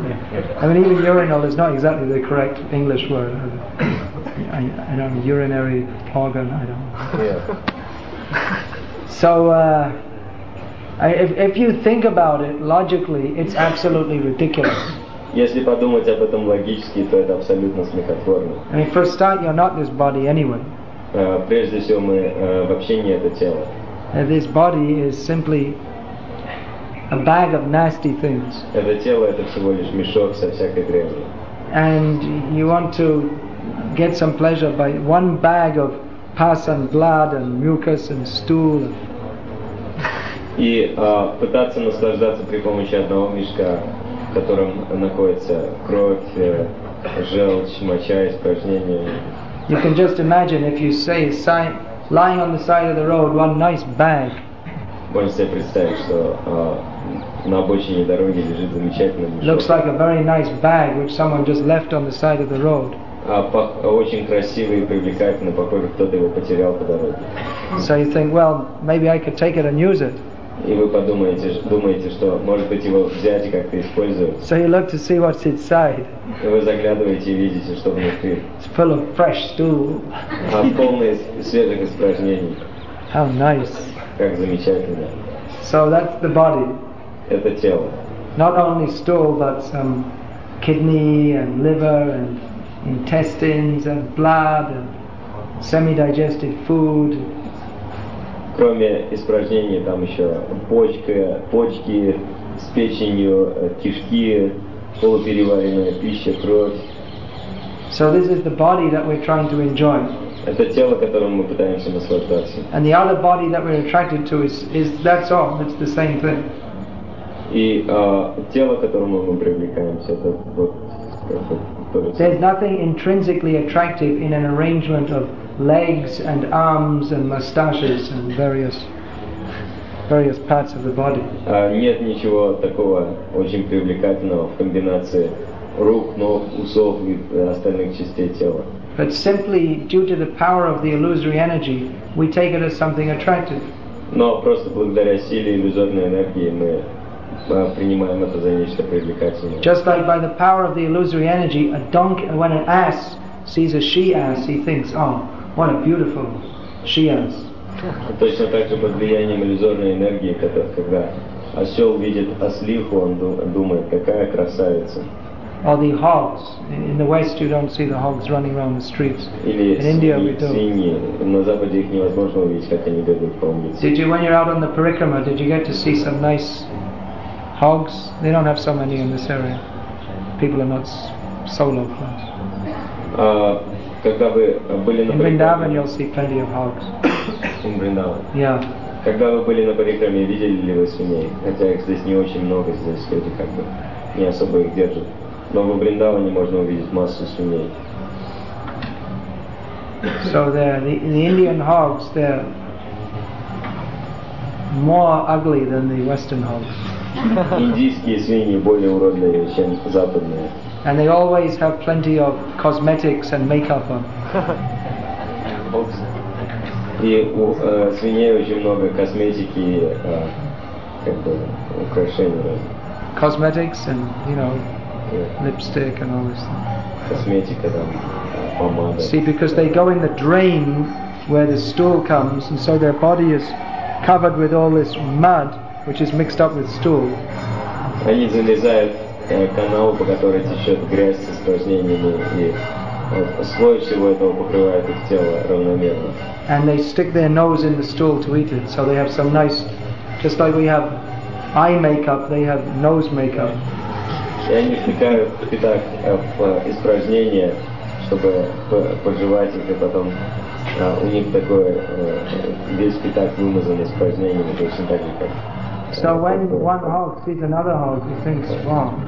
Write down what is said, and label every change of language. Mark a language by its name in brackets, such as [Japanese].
[English] Yeah. I mean, even urinal is not exactly the correct English word. I don't know, urinary organ. I don't. Yeah. So, if you think about it logically, it's absolutely ridiculous. [Russian] Если подумать об этом логически, то это абсолютно смехотворно. [English] I mean, for a start, you're not this body anyway. [Russian] Прежде всего, мы вообще не это тело. [English] And this body is simply a bag of nasty things. [Russian] Это тело — это всего лишь мешок со всякой дрянью. [English] And you want to get some pleasure by one bag of pus and blood and mucus and stool. [Russian] И пытаться наслаждаться при помощи одного мешка, в котором находится кровь, желчь, моча, испражнения. [English] You can just imagine if you say lying on the side of the road, one nice bag. [Russian] Можете себе представить, что на обочине дороги лежит замечательный мешок. [English] Looks like a very nice bag which someone just left on the side of the road. [Russian] Очень красивый и привлекательный, похоже, кто-то его потерял по дороге. [English] So you think, well, maybe I could take it and use it. [Russian] И вы думаете, что может быть его взять и как-то использовать. [English] So you look to see what's inside. [Russian] И вы заглядываете и видите, что внутри. [English] It's full of fresh stool. [Russian] А полный свежих испражнений. [English] How nice. [Russian] Как замечательно. [English] So that's the body. [Russian] Это тело. [English] Not only stool, but some kidney and liver and intestines and blood and semi-digested food. [Russian] Кроме испражнений, там еще почки с печенью, кишки, полупереваренная пища, кровь. [English] So this is the body that we're trying to enjoy. [Russian] Это тело, которым мы пытаемся наслаждаться. [English] And the other body that we're attracted to is that's all. It's the same thing. [Russian] И тело, которому мы привлекаемся, это вот. [English] There's nothing intrinsically attractive in an arrangement of legs and arms and mustaches and various parts of the body. [Russian] Нет ничего такого очень привлекательного в комбинации рук, ног, усов и остальных частей тела. [English] But simply due to the power of the illusory energy, we take it as something attractive. [Russian] Но просто благодаря силе иллюзорной энергии мы принимаем это за нечто привлекательное. [English] Just like by the power of the illusory energy, a donkey, when an ass sees a she-ass, he thinks, oh, what a beautiful she-ass. [Russian] Точно так же под влиянием иллюзорной энергии, когда осел видит ослиху, он думает, какая красавица. [English] Or the hogs. In the West, you don't see the hogs running around the streets. In India, we do. [Russian] На Западе их невозможно увидеть, как они бегают по улице. [English] Did you, when you're out on the parikrama, did you get to see some nice hogs? They don't have so many in this area. People are not solo class. [Russian] Когда вы были на [English] парикраме, in Vrindavan, you'll see plenty of hogs. In Vrindavan. Yeah. [Russian] Когда вы были на парикраме, видели ли вы свиней? Хотя их здесь не очень много, здесь люди как бы не особо их держат. Но в Вриндаване можно увидеть массу свиней. [English] So the Indian hogs, they're more ugly than the Western hogs. [Russian] Индийские свиньи более уродливые, чем западные. [English] And they always have plenty of cosmetics and makeup on. Hobbes. [Russian] И свиней очень много косметики, как бы украшений. [English] Cosmetics and, you know, lipstick and all this stuff. [Russian] Косметика там, помада. [English] See, because they go in the drain where the stool comes, and so their body is covered with all this mud, which is mixed up with stool. [Russian] Они залезают в канал, по которой течет грязь с испражнениями, и слой всего этого покрывает их тело равномерно. [English] And they stick their nose in the stool to eat it, so they have some nice, just like we have eye makeup, they have nose makeup. [Russian] И они втыкают пятак в испражнения, чтобы пожевать их, и потом у них такое, весь пятак вымазан испражнениями, точно так же, как... [English] So when one hog sees another hog, he thinks, wow.